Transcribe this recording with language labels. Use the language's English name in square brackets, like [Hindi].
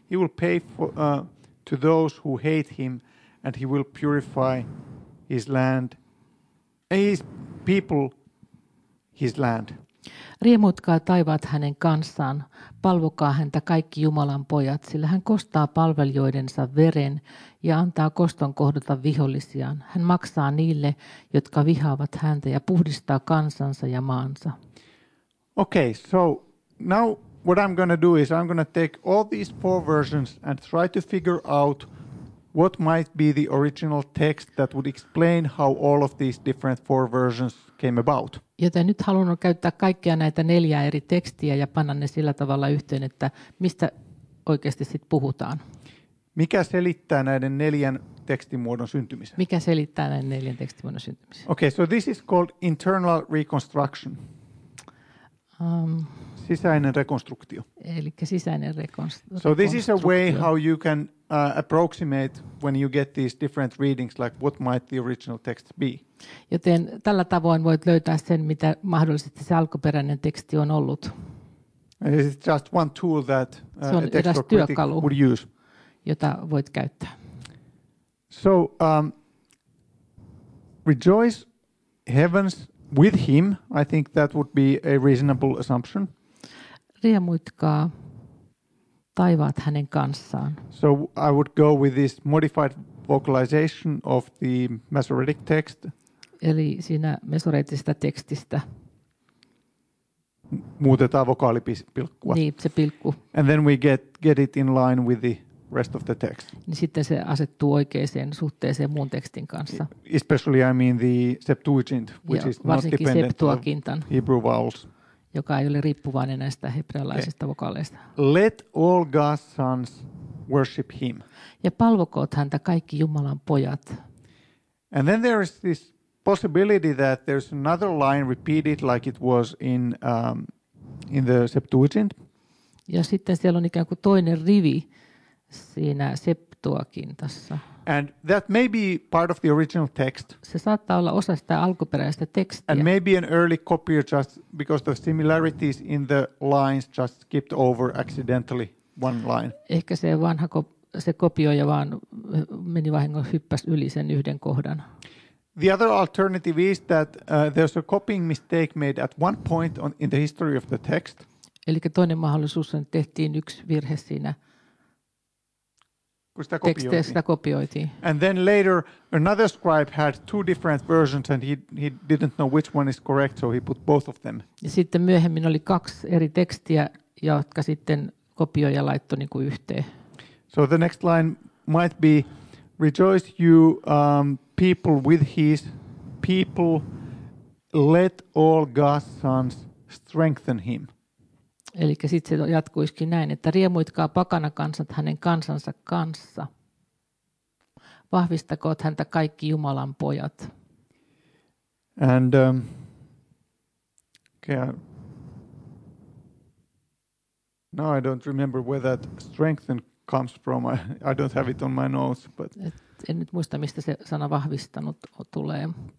[English] He will pay for to those who hate him, and he will purify his land, his people his land. [Finnish] Riemuitkaa taivaat hänen kanssaan, palvokaa häntä kaikki Jumalan pojat, sillä hän kostaa palvelijoidensa veren ja antaa koston kohdata vihollisiaan. Hän maksaa niille, jotka vihaavat häntä ja puhdistaa kansansa ja maansa. [English] Okay, so now what I'm going to do is I'm going to take all these four versions and try to figure out what might be the original text that would explain how all of these different four versions came about. [Finnish] Joten nyt haluan käyttää kaikkia näitä neljää eri tekstiä ja panna ne sillä tavalla yhteen, että mistä oikeasti sitten puhutaan. Mikä selittää näiden neljän tekstimuodon syntymisen? Mikä selittää näiden neljän tekstimuodon syntymisen? [English] Okay, so this is called internal reconstruction. [Finnish] Sisäinen rekonstruktio. Eli sisäinen rekonstruktio. [English] So this is a way how you can approximate when you get these different readings, like what might the original text be. [Finnish] Joten tällä tavoin voit löytää sen, mitä mahdollisesti se alkuperäinen teksti on ollut. [English] It's just one tool that a text or critic would use. [Finnish] Jota voit käyttää. [English] So, rejoice heavens with him. I think that would be a reasonable assumption. [Finnish] Riemuitkaa taivaat hänen kanssaan. [English] So I would go with this modified vocalization of the Masoretic text. [Finnish] Eli siinä Masoreettisesta tekstistä. Muutetaan vokaalipilkkua. Niin, se pilkku. [English] And then we get it in line with the rest of the text. [Finnish] Niin sitten se asettuu oikeaan suhteeseen muun tekstin kanssa. [English] Especially I mean the Septuagint, which is not dependent on Hebrew vowels. [Finnish] Joka ei ole riippuvainen näistä hebrealaisista vokaaleista. [English] Let all God's sons worship him. [Finnish] Ja palvokoot häntä kaikki Jumalan pojat. [English] And then there is this possibility that there's another line repeated like it was in the Septuagint. [Finnish] Ja sitten siellä on ikään kuin toinen rivi siinä Septuagintassa. [English] And that may be part of the original text. [Finnish] Se saattaa olla osa sitä alkuperäistä tekstiä. [English] And maybe an early copy just because the similarities in the lines just skipped over accidentally one line. [Finnish] Ehkä se vanha se kopioija vaan meni vahingossa hyppäsi yli sen yhden kohdan. [English] The other alternative is that there's a copying mistake made at one point in the history of the text. [Finnish] Eli toinen mahdollisuus on, että tehtiin yksi virhe siinä. Kun sitä kopioitiin. Sitä kopioitiin. [English] And then later another scribe had two different versions and he didn't know which one is correct, so he put both of them. [Finnish] Ja sitten myöhemmin oli kaksi eri tekstiä, jotka sitten kopioija laittoi niin kuin yhteen. [English] So the next line might be, rejoice you people with his people, let all God's sons strengthen him. [Finnish] Eli sitten se jatkuisikin näin, että riemuitkaa pakanakansat hänen kansansa kanssa. Vahvistakoot häntä kaikki Jumalan pojat. [English] And no, I don't remember where that strengthen comes from. I don't have it on my notes, but [Finnish] en nyt muista, mistä se sana vahvistanut tulee.